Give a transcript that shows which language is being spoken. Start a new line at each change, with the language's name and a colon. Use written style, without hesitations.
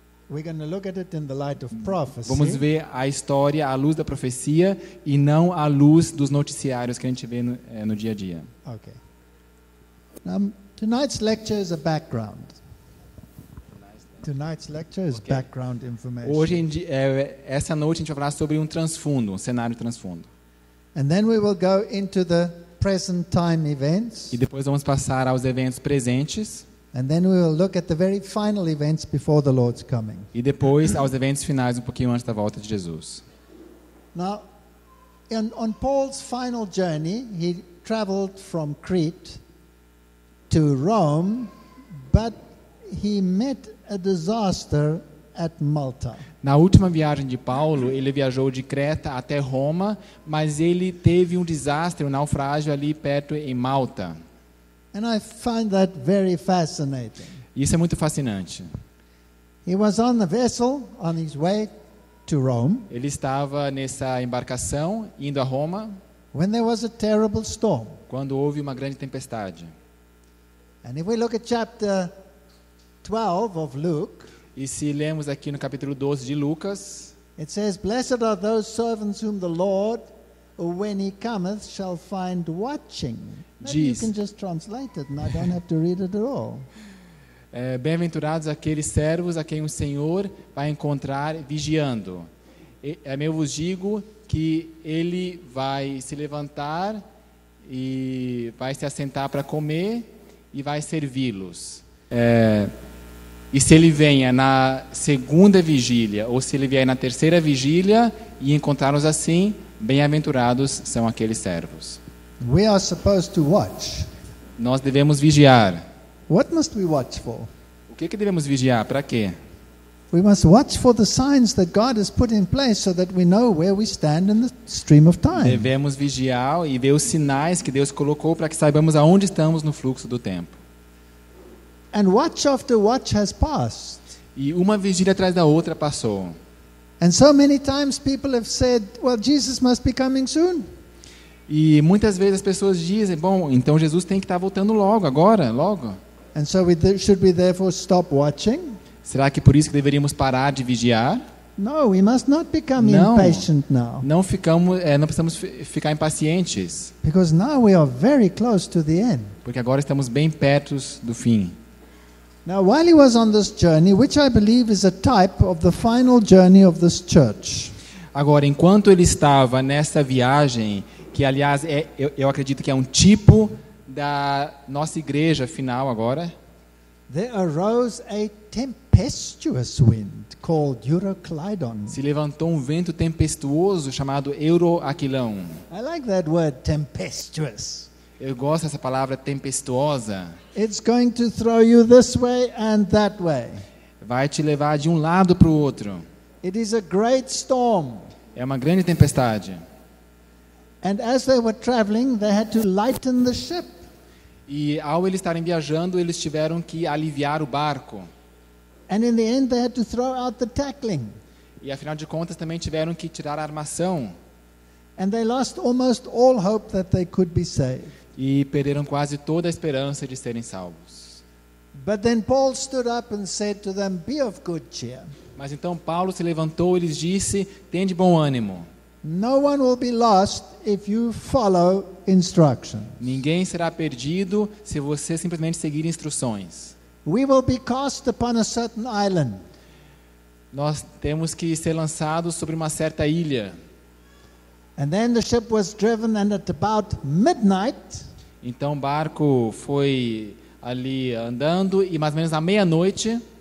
English: We're going to look at it in the light of prophecy.
Portuguese: Vamos ver a história à luz da profecia e não à luz dos noticiários que a gente vê no dia a dia.
English: Okay. Now, tonight's lecture is a background. Tonight's lecture is okay. Background information.
Portuguese: Hoje em dia, essa noite a gente vai falar sobre um transfundo, um cenário transfundo.
English: And then we will go into the present time events.
Portuguese: E depois vamos passar aos eventos presentes.
English: And then we will look at the very final events before the Lord's coming.
Portuguese: E depois aos eventos finais um pouquinho antes da volta de Jesus.
English: Now, on Paul's final journey, he traveled from Crete to Rome But he met a disaster at Malta.
Portuguese: Na última viagem de Paulo, ele viajou de Creta até Roma, mas ele teve um desastre, um naufrágio ali perto em Malta.
English: And I find that very fascinating.
Portuguese: Isso é muito fascinante.
English: He was on the vessel on his way to Rome.
Portuguese: Ele estava nessa embarcação indo a Roma.
English: When there was a terrible storm.
Portuguese: Quando houve uma grande tempestade.
English: And if we look at chapter 12 of Luke.
Portuguese: E se lemos aqui no capítulo 12 de Lucas.
English: It says, "Blessed are those servants whom the Lord, when he cometh, shall find watching."
Portuguese: Diz.
English: You can just translate it, and I don't have to read it at all.
Portuguese: É, bem-aventurados aqueles servos a quem o Senhor vai encontrar vigiando. E, eu vos digo que ele vai se levantar e vai se assentar para comer e vai servi-los. É, e se ele venha na segunda vigília ou se ele vier na terceira vigília e encontrar-nos assim, bem-aventurados são aqueles servos.
English: We are supposed to watch.
Portuguese: Nós devemos vigiar.
English: What must we watch for?
Portuguese: O que devemos vigiar? Para quê?
English: We must watch for the signs that God has put in place so that we know where we stand in the stream of time.
Portuguese: Devemos vigiar e ver os sinais que Deus colocou para que saibamos aonde estamos no fluxo do tempo.
English: And watch after watch has passed.
Portuguese: E uma vigília atrás da outra passou.
English: And so many times people have said, well, Jesus must be coming soon.
Portuguese: E muitas vezes as pessoas dizem, bom, então Jesus tem que estar voltando logo, agora, logo.
English: And so we should be therefore stop watching?
Portuguese: Será que por isso que deveríamos parar de vigiar?
English: No, we must not become impatient now.
Portuguese: Não, ficamos, não precisamos ficar impacientes.
English: Because now we are very close to the end.
Portuguese: Porque agora estamos bem perto do fim.
English: Now, while he was on this journey, which I believe is a type of the final journey of this church.
Portuguese: Agora, enquanto ele estava nessa viagem, que aliás é, eu acredito que é um tipo da nossa igreja final agora.
English: There arose a tempestuous wind called Euroclydon.
Portuguese: Se levantou um vento tempestuoso chamado Euroaquilão.
English: I like that word, tempestuous.
Portuguese: Eu gosto dessa palavra tempestuosa.
English: It's going to throw you this way and that way.
Portuguese: Vai te levar de um lado para o outro.
English: It is a great storm.
Portuguese: É uma grande tempestade.
English: And as they were traveling, they had to lighten the ship.
Portuguese: E ao eles estarem viajando, eles tiveram que aliviar o barco.
English: And in the end, they had to throw out the tackling.
Portuguese: E afinal de contas, também tiveram que tirar a armação.
English: And they lost almost all hope that they could be saved.
Portuguese: E perderam quase toda a esperança de serem salvos.
English: But then Paul stood up and said to them, "Be of good cheer."
Portuguese: Mas então Paulo se levantou e lhes disse, "Tende bom ânimo."
English: No one will be lost if you follow instructions.
Portuguese: Ninguém será perdido se você simplesmente seguir instruções.
English: We will be cast upon a certain island.
Portuguese: Nós temos que ser lançados sobre uma certa ilha.
English: And then the ship was driven, and at about midnight.
Portuguese: Então o barco foi ali andando e mais ou menos à meia-noite.